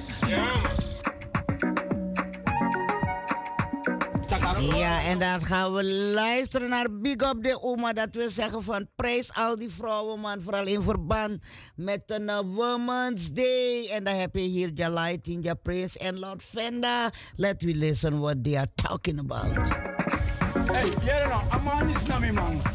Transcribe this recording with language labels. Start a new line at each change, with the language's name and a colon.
Dutch: Ja. Ja, en dan gaan we luisteren naar Big Up de Oma. Dat wil zeggen van prijs al die vrouwen, man. Vooral in verband met een Women's Day. En dan heb je hier Ja Lighting, Ja Prince en Lord Fenda.
English: Let we listen what they are talking about.
Dutch: Hey, hier nou, een man is naar mijn man.